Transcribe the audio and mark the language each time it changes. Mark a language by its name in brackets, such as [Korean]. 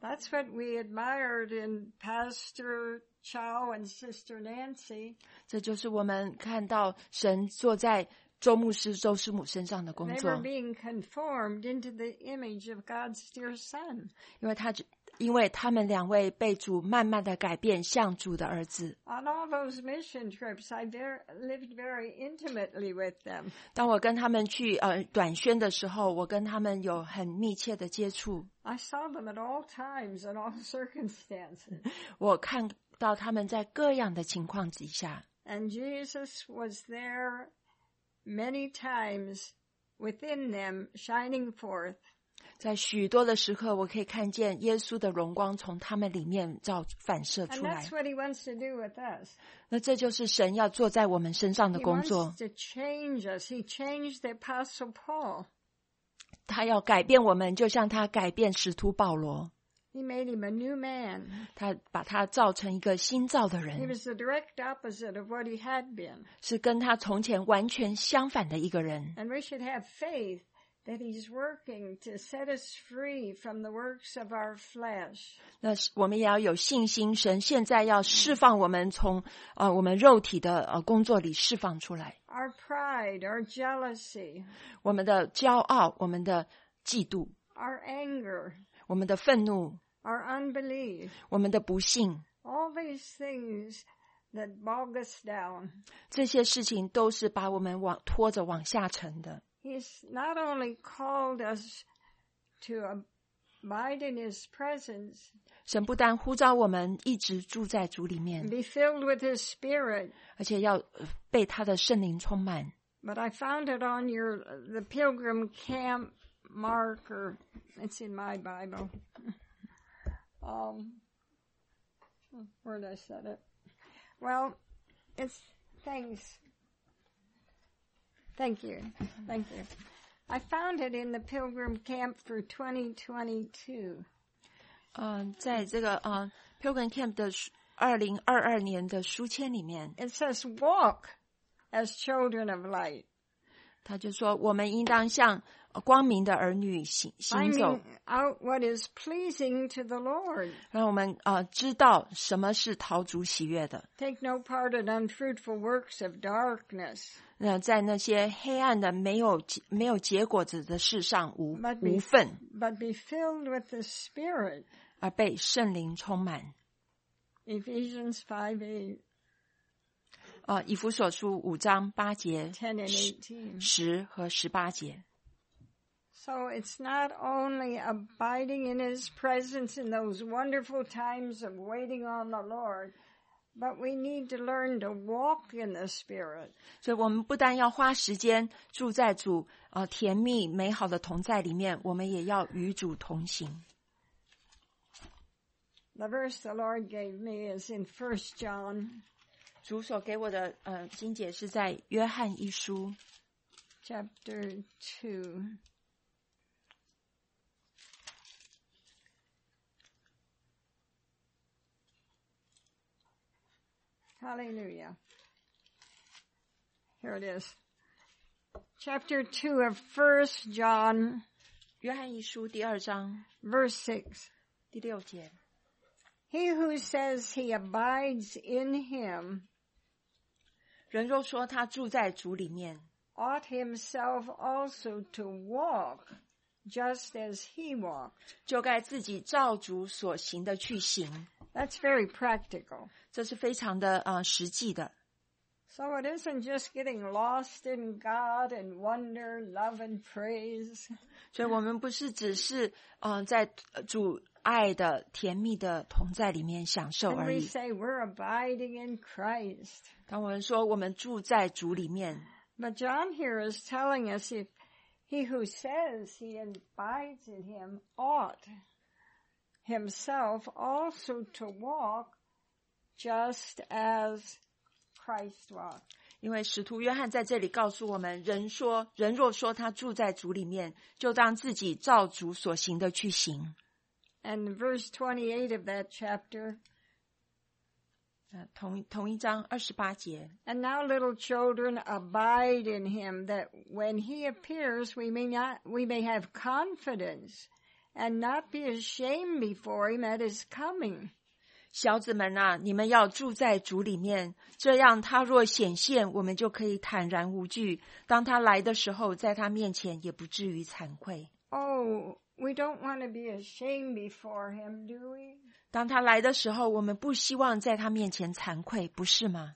[English] That's what we admired in Pastor Chow and Sister Nancy. [Chinese] 这就是我们看到神坐在周牧师、周师母身上的工作。 [English] They were being conformed into the image of God's dear Son. [Chinese] 因为他们两位被主慢慢的改变，像主的儿子。 [English] On all those mission trips, I lived very intimately with them. [Chinese] 当我跟他们去短宣的时候，我跟他们有很密切的接触。 [English] I saw them at all times and all circumstances. [Chinese] 我看到他们在各样的情况底下。 [English] And Jesus was there. Many times within them shining forth. [Chinese] 在许多的时刻，我可以看见耶稣的荣光从他们里面照反射出来。 [English] And that's what he wants to do with us. [Chinese] 那这就是神要做在我们身上的工作。 [English] He wants to change us. He changed the Apostle Paul. [Chinese] 他要改变我们，就像他改变使徒保罗。 [English] He made him a new man. [Chinese] 他把他造成一个新造的人。 [English] He was the direct opposite of what he had been. [Chinese] 是跟他从前完全相反的一个人。 [English] And we should have faith that he's working to set us free from the works of our flesh. [Chinese] 那我们也要有信心，神现在要释放我们从我们肉体的工作里释放出来。 [English] Our pride, our jealousy. [Chinese] 我们的骄傲，我们的嫉妒。 [English] Our anger. [Chinese] 我们的愤怒 [English] Our unbelief, [Chinese] 我们的不幸 [English] All these things that bog us down, [Chinese] 这些事情都是把我们拖着往下沉的 [English] He's not only called us to abide in his presence, [Chinese] 神不但呼召我们一直住在主里面 [English] be filled with his spirit, [Chinese] 而且要被他的圣灵充满 [English] But I found it on the pilgrim camp marker. It's in my Bible. Where did I set it? Well, it's thanks. Thank you. I found it in the Pilgrim Camp for 2022. [Chinese] 在这个Pilgrim Camp 的2022年的书签里面 [English] It says, "Walk as children of light." [Chinese] 他就说，我们应当像光明的儿女行走 [English] Finding out what is pleasing to the Lord. [Chinese] 让我们知道什么是讨主喜悦的 [English] Take no part in unfruitful works of darkness. [Chinese] 在那些黑暗的没有结果子的事上无份 [English] But be filled with the Spirit. [Chinese] 而被圣灵充满 [English] Ephesians 5:8. [Chinese] 以弗所书五章八节 [English] 10 and 18. [Chinese] 十和十八节 [English] So it's not only abiding in his presence in those wonderful times of waiting on the Lord, But we need to learn to walk in the Spirit. [Chinese] 所以我们不单要花时间住在主甜蜜美好的同在里面，我们也要与主同行。 [English] The verse the Lord gave me is in 1 John. [Chinese] 主所给我的经节是在约翰一书。 [English] Chapter 2. Hallelujah. Here it is. Chapter 2 of 1 John. [Chinese] 约翰一书第二章 [English] Verse 6. [Chinese] 第六节 [English] He who says he abides in him. [Chinese] 人若说他住在主里面 [English] Ought himself also to walk just as he walked. [Chinese] 就该自己照主所行的去行。 [English] That's very practical. [Chinese] 这是非常的实际的。 [English] So it isn't just getting lost in God and wonder, love and praise. [Chinese] 所以我们不是只是在主爱的甜蜜的同在里面享受而已。 [English] And we say we're abiding in Christ. [Chinese] 当我们说我们住在主里面。 [English] But John here is telling us if he who says he abides in him ought. Himself also to walk just as Christ walked. [Chinese] 因为使徒约翰在这里告诉我们，人说，人若说他住在主里面，就当自己照主所行的去行。 [English] And verse 28 of that chapter, [Chinese] 同一章二十八节。 [English] And now, little children, abide in him, that when he appears, we may have confidence. And not be ashamed before him at his coming. [Chinese] 小子们啊，你们要住在主里面，这样他若显现，我们就可以坦然无惧。当他来的时候，在他面前也不至于惭愧。 [English] Oh, we don't want to be ashamed before him, do we? [Chinese] 当他来的时候，我们不希望在他面前惭愧，不是吗？